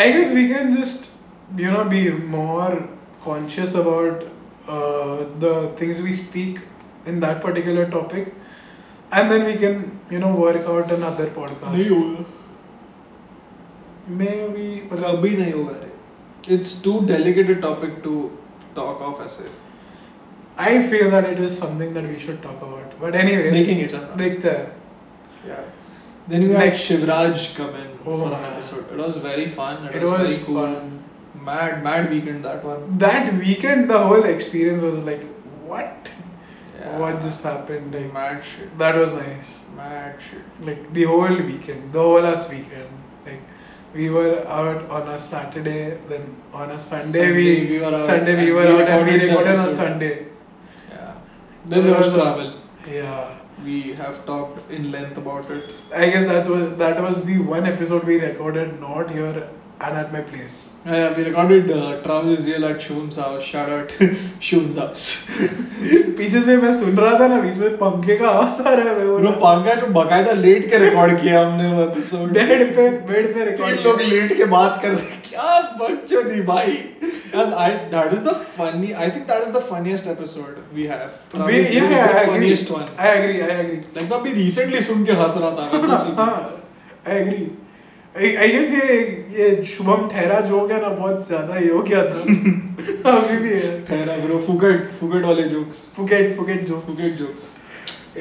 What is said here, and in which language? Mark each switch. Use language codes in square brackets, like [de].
[en] I guess we can just you know be more conscious about the things we speak in that particular topic and then we can you know work out another podcast [hi] नहीं होगा [en] maybe [hi] मतलब अभी नहीं होगा रे [en] It's too delicated topic to talk of ऐसे I feel that it is something that we should talk about. But anyways, making it [hi] up. Dekhte hain. [en] Yeah. Then we had Shivraj come in for an episode. It was very fun. It was very cool. Mad weekend that one. That weekend, the whole experience was like, what? Yeah. What just happened? Like, mad shit. That was nice. Mad shit. Like the whole weekend, the whole last weekend. Like we were out on a Saturday, then on a Sunday, Sunday we were out and we recorded on Sunday. Yeah. Then there was travel. Yeah. We have talked in length about it. I guess that was the one episode we recorded not here and at my place. Yeah, we recorded travel is real at Shum's house. Shout out Shum's house. [hi] पीछे से मैं सुन रहा था ना बीच में पंखे का आवाज आ रहा है [en] Bro. [hi] पंखा जो बकायदा लेट के रिकॉर्ड किया हमने वो एपिसोड बेड पे रिकॉर्ड. तीन लोग लेट के बात कर रहे क्या बच्चों दी भाई. [en] And I think that is the funniest episode we have. I agree. [hi] Like मैं भी recently सुन के हंस रहा था. [en] हाँ I agree. I guess [hi] ये शुभम ठहरा जो क्या ना बहुत ज्यादा ये हो गया था. अभी भी है ठहरा ब्रो. फुगेट वाले जोक्स. Forget jokes